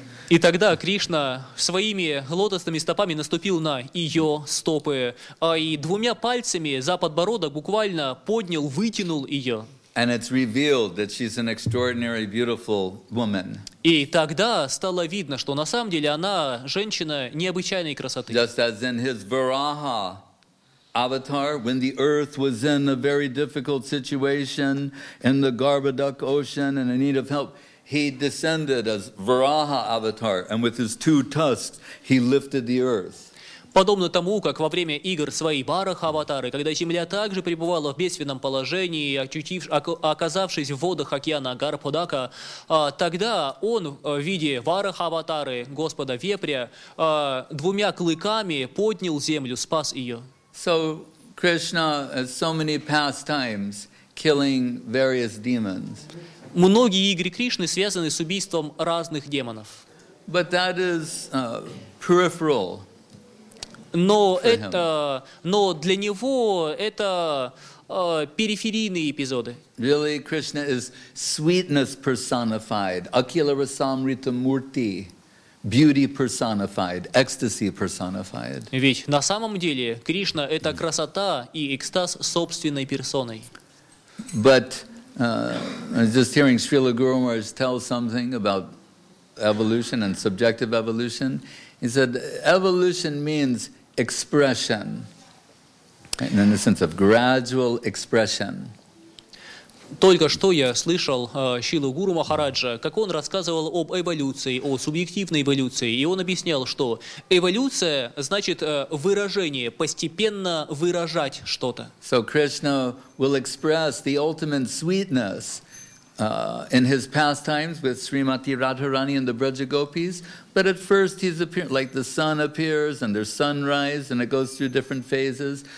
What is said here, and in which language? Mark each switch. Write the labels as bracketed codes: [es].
[ru] И тогда Кришна своими лотосными стопами наступил на ее стопы, а и двумя пальцами за подбородок буквально поднял, вытянул ее. [en] And it's revealed that she's an extraordinary, beautiful woman. [ru] И тогда стало видно, что на самом деле она женщина необычайной красоты. [en] Just as in his Varaha avatar, when the earth was in a very difficult situation in the Garbhoduck ocean and in need of help, he descended as Varaha avatar, and with his two tusks, he lifted the earth. [ru] Подобно тому, как во время игр своей Вараха аватары, когда земля также пребывала в бедственном положении, оказавшись в водах океана Гарбхудака, тогда он в виде Вараха аватары, господа Вепря, двумя клыками поднял землю, спас ее. [en] So Krishna has so many pastimes killing various demons. [ru] Многие игры Кришны связаны с убийством разных демонов. [en] But that is, peripheral но, for это, him. [ru] Но для него это периферийные эпизоды. [en] Really, Krishna is sweetness personified, Akhilarasamrita Murti, beauty personified, ecstasy personified. [ru] Ведь на самом деле Кришна — это красота и экстаз собственной персоной. [en] But I was just hearing Srila Guru Maharaj tell something about evolution and subjective evolution. He said, evolution means expression, and in the sense of gradual expression. [ru] Только что я слышал Шилу Гуру Махараджа, как он рассказывал об эволюции, о субъективной эволюции, и он объяснял, что эволюция значит выражение, постепенно выражать что-то. [en] So Krishna will express the ultimate sweetness in his pastimes with Srimati Radharani and the Brajagopis, but at first he's appearing, like the sun appears and there's sunrise and it goes through different phases.